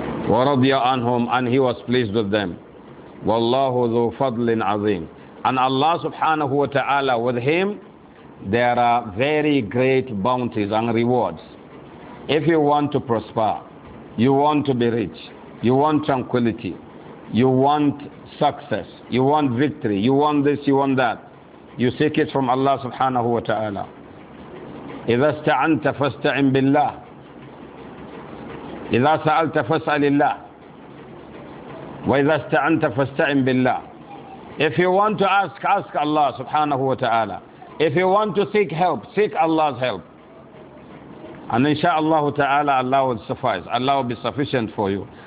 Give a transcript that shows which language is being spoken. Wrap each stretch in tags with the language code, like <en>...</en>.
<ar>وَرَضِيَ عَنْهُمْ</ar> <en>And He was pleased with them.</en> <ar>وَاللَّهُ ذُو فَضْلٍ عَظِيمٍ</ar> <en>And Allah subhanahu wa ta'ala, with Him, there are very great bounties and rewards. If you want to prosper, you want to be rich, you want tranquility, you want success, you want victory, you want this, you want that, you seek it from Allah subhanahu wa ta'ala.</en> <ar>إِذَا اسْتَعَنْتَ فَاسْتَعِنْ بِاللَّهِ إِذَا سَأَلْتَ فَاسْأَلِ اللَّهِ وَإِذَا اسْتَعَنْتَ فَاسْتَعِنْ بِاللَّهِ</ar> <en>If you want to ask, ask Allah subhanahu wa ta'ala. If you want to seek help, seek Allah's help. And insha'Allah ta'ala, Allah will suffice. Allah will be sufficient for you.</en>